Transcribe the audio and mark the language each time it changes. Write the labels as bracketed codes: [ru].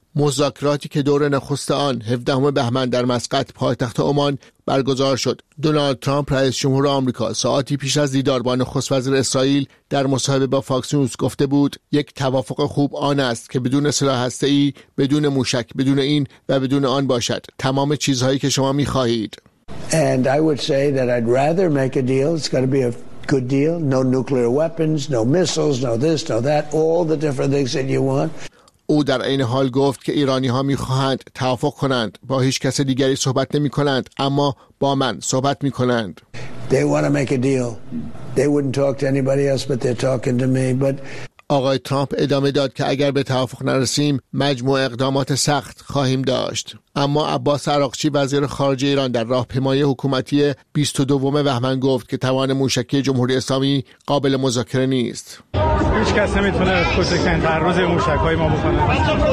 [fa] مذاکراتی که دور نخست آن 17 بهمن در مسقط پایتخت عمان برگزار شد، دونالد ترامپ رئیس جمهور آمریکا ساعتی پیش از دیدار با نخست وزیر اسرائیل در مصاحبه با فاکس نیوز گفته بود یک توافق خوب آن است که بدون سلاح هسته‌ای، بدون موشک، بدون این و بدون آن باشد، تمام چیزهایی که شما می‌خواهید. [en] And I would say that I'd rather make a deal. It's got to be a good deal. No nuclear weapons, no missiles, no this, no that, all the different things that you want. [fa] او در این حال گفت که ایرانی ها می خواهند توافق کنند، با هیچ کس دیگری صحبت نمی کنند اما با من صحبت می کنند. [en] They want to make a deal. They wouldn't talk to anybody else but they're talking to me. But [fa] آقای ترامپ ادامه داد که اگر به توافق نرسیم مجموع اقدامات سخت خواهیم داشت. اما عباس عراقچی وزیر خارجه ایران در راهپیمایی حکومتی 22 بهمن گفت که توان موشکی جمهوری اسلامی قابل مذاکره نیست. هیچ کس نمیتونه کوچکترین تعرض به موشک‌های ما بکنه.